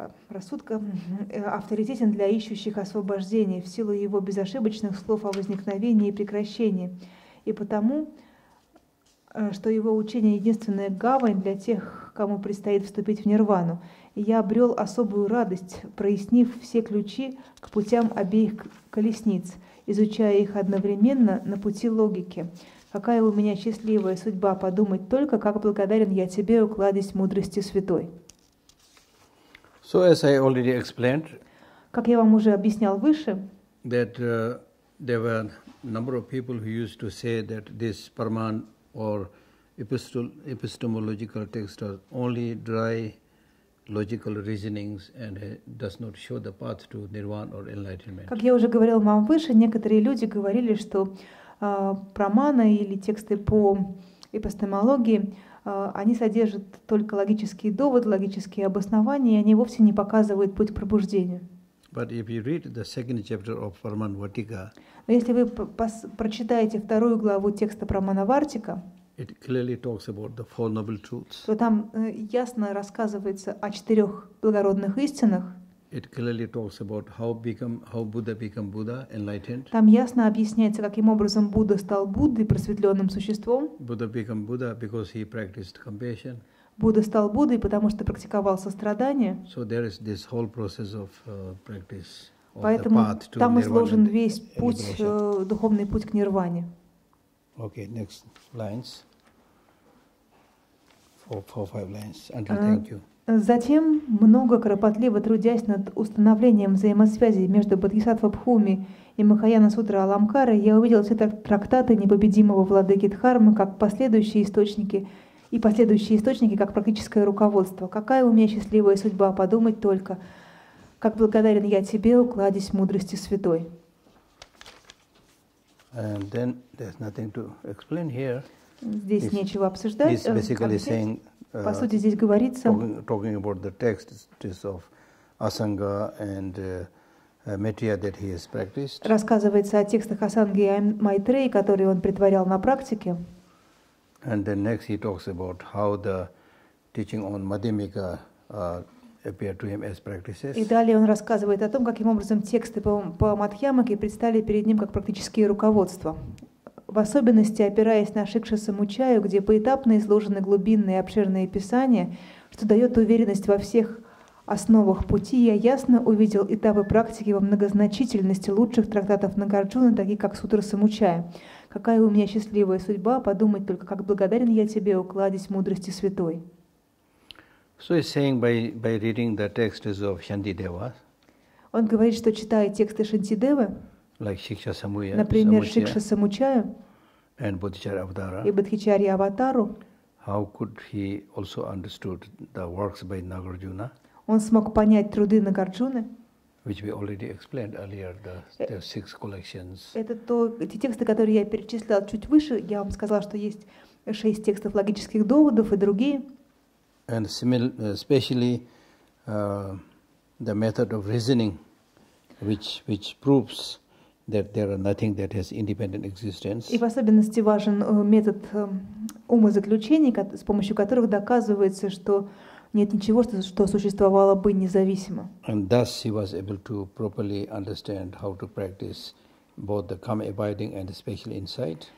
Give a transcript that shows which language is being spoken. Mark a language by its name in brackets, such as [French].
[Russian] рассудка авторитетен для ищущих освобождений в силу его безошибочных слов о возникновении и прекращении, и потому, что его учение — единственная гавань для тех, кому предстоит вступить в нирвану. И я обрел особую радость, прояснив все ключи к путям обеих колесниц, изучая их одновременно на пути логики. Какая у меня счастливая судьба подумать только, как благодарен я тебе, о кладезь мудрости святой. [English] So as I already explained, [Russian] как я вам уже объяснял выше, [English] that there were a number of people who used to say that this Parman or epistemological text are only dry logical reasonings and does not show the path to nirvana or enlightenment. [Russian] Как я уже говорил вам выше, некоторые люди говорили, что Прамана или тексты по эпистемологии они содержат только логические доводы, логические обоснования, и они вовсе не показывают путь к пробуждению. [English] But if you read the second chapter of Parman Vartika, [Russian] но если вы прочитаете вторую главу текста Прамана Вартика, [English] it clearly talks about the four noble truths, [Russian] то там ясно рассказывается о четырех благородных истинах. [English] It clearly talks about how Buddha became Buddha, enlightened. [Russian] Там ясно объясняется, каким образом Будда стал Буддой, просветленным существом. [English] Buddha became Buddha because he practiced compassion. [Russian] Будда стал Буддой, потому что практиковал сострадание. [English] So there is this whole process of practice of [Russian] Поэтому [English] the path to [Russian] там изложен весь путь, духовный путь к нирване. [English] Okay, next lines. Four, five lines. Andrew, thank you. [Russian] Затем, много кропотливо трудясь над установлением взаимосвязи между Бодхисаттва Бхуми и Махаяна Сутра Аламкара, я увидел все трактаты непобедимого владыки Дхармы как последующие источники и последующие источники как практическое руководство. Какая у меня счастливая судьба, подумать только, как благодарен я тебе, о кладезь мудрости святой. [English] And then there's nothing to explain here. [Russian] Здесь [English] this, [Russian] нечего обсуждать. [English] This basically saying, [Russian] по сути, здесь говорится [English] talking about the texts of Asanga and Maitreya that he has practiced. [Russian] Рассказывается о текстах Асанги и Майтреи, которые он притворял на практике. [English] And then next he talks about how the teaching on Madhyamika appeared to him as practices. [Russian] И далее он рассказывает о том, каким образом тексты по Мадхьямаке предстали перед ним как практические руководства. В особенности опираясь на Шикша Самучаю, где поэтапно изложены глубинные и обширные писания, что дает уверенность во всех основах пути, я ясно увидел этапы практики во многозначительности лучших трактатов Нагарджуны, такие как Сутра Самучая. Какая у меня счастливая судьба, подумать только, как благодарен я тебе, о кладезь мудрости святой. [English] So he's saying by reading the texts of Shantideva. [Russian] Он говорит, что читая тексты Шантидевы, [English] like Шикша Самуя, [Russian] например, Шикша Самучая, [English] and Bodhicharya Avatara. [Russian] И Бодхичарья Аватару. [English] How could he also understood the works by Nagarjuna? [Russian] Он смог понять труды Нагарджуны. [English] Which we already explained earlier, the six collections. [Russian] Это то, те тексты, которые я перечислила чуть выше. Я вам сказала, что есть шесть текстов логических доводов и другие. [English] And especially the method of reasoning, which proves that there are nothing that has independent existence. [Russian] И в особенности важен метод умозаключений, с помощью которых доказывается, что нет ничего, что существовало бы независимо. [English] And thus he was able to properly understand how to practice both the calm abiding and the spatial insight.